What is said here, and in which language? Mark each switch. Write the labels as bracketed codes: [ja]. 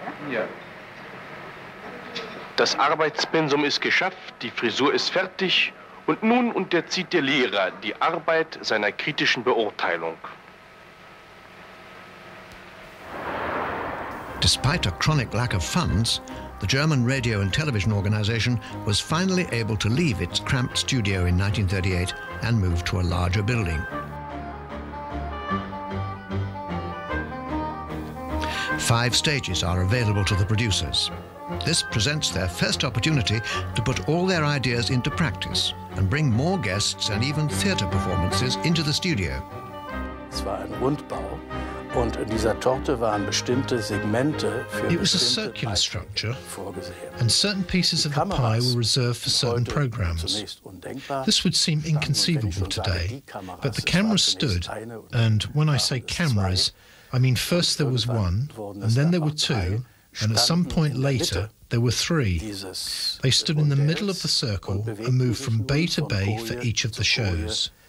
[de] Ja. Das Arbeitspensum ist geschafft, die Frisur ist fertig und nun unterzieht der Lehrer die Arbeit seiner kritischen Beurteilung. [en] Despite a chronic lack of funds, the German radio and television organization was finally able to leave its cramped studio in 1938 and move to a larger building. Five stages are available to the producers. This presents their first opportunity to put all their ideas into practice and bring more guests and even theater performances into the studio. [de] Es war ein Rundbau und in dieser Torte waren bestimmte Segmente für [en] It was a circular structure [de] vorgesehen. [en] And certain pieces of the pie were reserved for certain programs. This would seem inconceivable today, but the cameras stood, and when I say cameras, I mean first there was one and then there were two. And at some point later, there were three. They stood in the middle of the circle and moved from bay to bay for each of the shows.